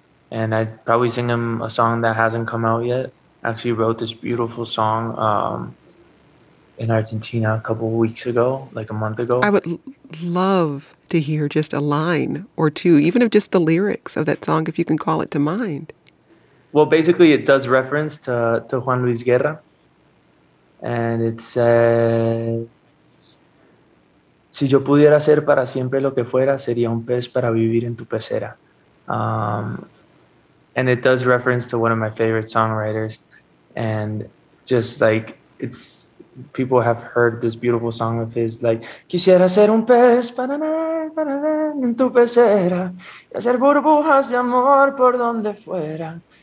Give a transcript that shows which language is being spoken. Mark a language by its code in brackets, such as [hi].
[en] And I'd probably sing them a song that hasn't come out yet. I actually wrote this beautiful song in Argentina a couple of weeks ago, like a month ago. I would love to hear just a line or two, even if just the lyrics of that song, if you can call it to mind. Well, basically, it does reference to Juan Luis Guerra. And it says, [es] si yo pudiera ser para siempre lo que fuera, sería un pez para vivir en tu pecera. [en] And it does reference to one of my favorite songwriters. And just like, it's, people have heard this beautiful song of his, like, [es] quisiera ser un pez para en tu pecera, y hacer burbujas de amor por donde fuera.